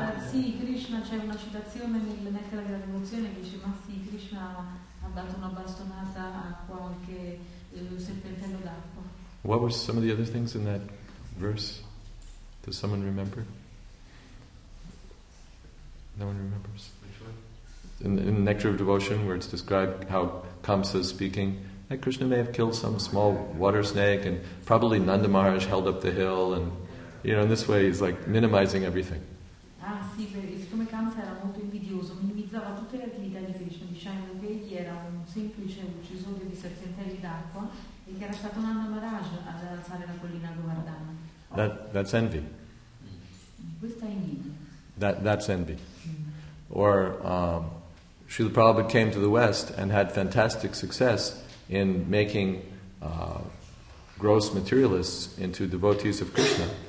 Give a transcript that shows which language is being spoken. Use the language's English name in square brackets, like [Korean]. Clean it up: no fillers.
[Italian] Sì, Krishna, c'è una citazione nel Nectar della Devozione che dice, ma sì, Krishna ha dato una bastonata a qualche serpentello d'acqua. [English] What were some of the other things in that verse? Does someone remember? No one remembers. Which one? In the Nectar of Devotion, where it's described how Kamsa is speaking, that Krishna may have killed some small water snake, and probably Nanda Maharaj held up the hill, and you know, in this way, he's like minimizing everything. [Italian] Ah, sì, siccome Kamsa era molto invidioso, minimizzava tutte le attività di Krishna, dicendo che egli era un semplice uccisore di serpentelli d'acqua e che era stato Nanda Maharaj ad alzare la collina Govardhana. [English] That's envy. [Italian] Questa è invidia. [English] That's envy. Or Srila Prabhupada came to the West and had fantastic success in making gross materialists into devotees of Krishna.